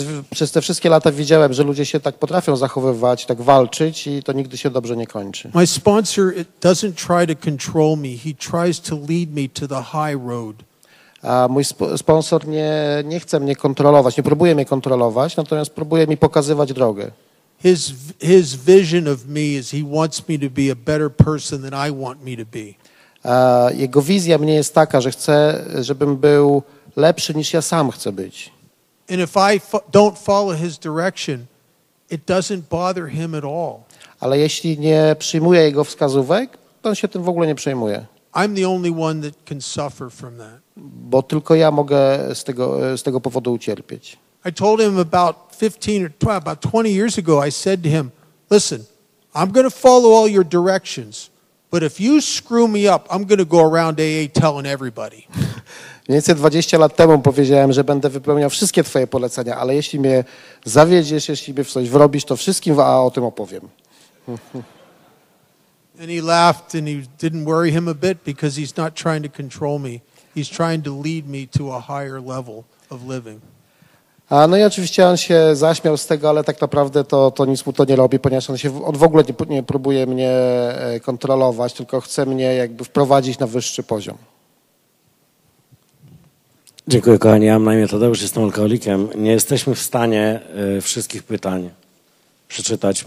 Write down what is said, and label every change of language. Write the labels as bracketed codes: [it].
[pl] Przez te wszystkie lata widziałem, że ludzie się tak potrafią zachowywać, tak walczyć i to nigdy się dobrze nie kończy. [en] My sponsor doesn't try to control me. He tries to lead me to the high road. [pl] Mój sponsor nie chce mnie kontrolować, nie próbuje mnie kontrolować, natomiast próbuje mi pokazywać drogę. [en] His vision of me is he wants me to be a better person than I want me to be. [pl] Jego wizja mnie jest taka, że chce, żebym był lepszy niż ja sam chcę być. [en] And if I don't follow his direction, it doesn't bother him at all. [pl] Ale jeśli nie przyjmuję jego wskazówek, to on się tym w ogóle nie przejmuje. [en] I'm the only one that can suffer from that. [pl] Bo tylko ja mogę z tego powodu ucierpieć. [en] I told him about 20 years ago, I said to him, listen, I'm going to follow all your directions, but if you screw me up, I'm going to go around AA telling everybody. [pl] Mniej więcej 20 lat temu powiedziałem, że będę wypełniał wszystkie twoje polecenia, ale jeśli mnie zawiedziesz, jeśli mnie w coś wrobisz, to wszystkim w AA o tym opowiem. [en] And he laughed and he didn't worry him a bit because he's not trying to control me. He's trying to lead me to a higher level of living. [pl] No i oczywiście on się zaśmiał z tego, ale tak naprawdę to nic mu to nie robi, ponieważ on w ogóle nie próbuje mnie kontrolować, tylko chce mnie jakby wprowadzić na wyższy poziom. Dziękuję kochani, ja mam na imię Tadeusz, jestem alkoholikiem. Nie jesteśmy w stanie wszystkich pytań przeczytać.